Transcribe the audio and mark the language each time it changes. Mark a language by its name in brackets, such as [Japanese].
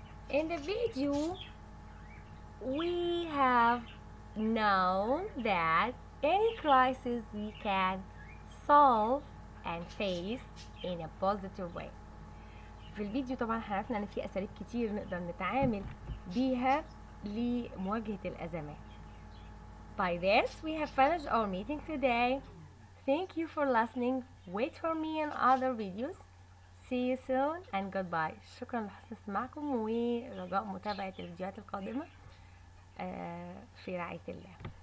[English] In the video, we have known that any crisis we can solve and face in a positive way. [Arabic] في الفيديو طبعا عرفنا ان في اساليب كتير نقدر نتعامل بيها لمواجهة الازمات. [English] By this, we have finished our meeting today. Thank you for listening. Wait for me in other videos. See you soon and goodbye. [Arabic] شكرا لحسن استماعكم ورجاء متابعة الفيديوهات القادمة. في رعاية الله.